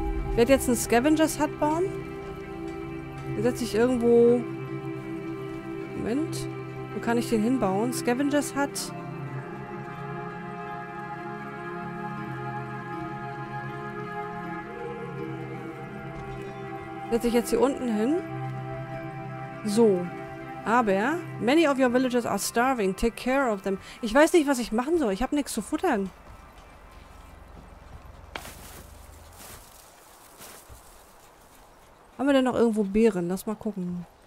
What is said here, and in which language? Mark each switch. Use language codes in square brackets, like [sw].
[de] Ich werde jetzt einen Scavenger's Hut bauen. Den setze ich irgendwo... Moment. Wo kann ich den hinbauen? Scavenger's Hut. Setze ich jetzt hier unten hin. So. [en] Aber, many of your villagers are starving. Take care of them. [de] Ich weiß nicht, was ich machen soll. Ich habe nichts zu futtern. Haben wir denn noch irgendwo Beeren? Lass mal gucken.